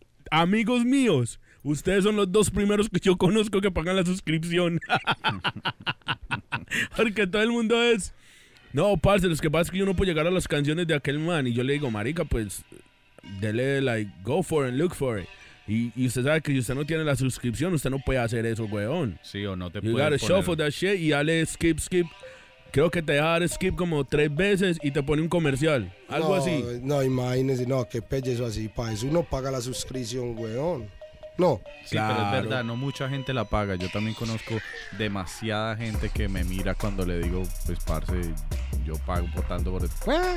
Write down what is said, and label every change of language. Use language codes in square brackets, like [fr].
[es] Amigos míos, ustedes son los dos primeros que yo conozco que pagan la suscripción. Porque todo el mundo es... No, parce, lo que pasa es que yo no puedo llegar a las canciones de aquel man. Y yo le digo, marica, pues, dele, [en] like, go for it, look for it. [es] Y usted sabe que si usted no tiene la suscripción, usted no puede hacer eso, weón. Sí, o no te puede poner... [en] You gotta shuffle that shit [es] y dale [en] skip, skip. [es] Creo que te deja dar skip como 3 veces y te pone un comercial. Algo no, así. No, imagínese. No, qué pelle eso así. Para eso uno paga la suscripción, weón. No. Sí, claro. Pero es verdad, no mucha gente la paga. Yo también conozco demasiada gente que me mira cuando le digo, pues, parce, yo pago por tanto por esto.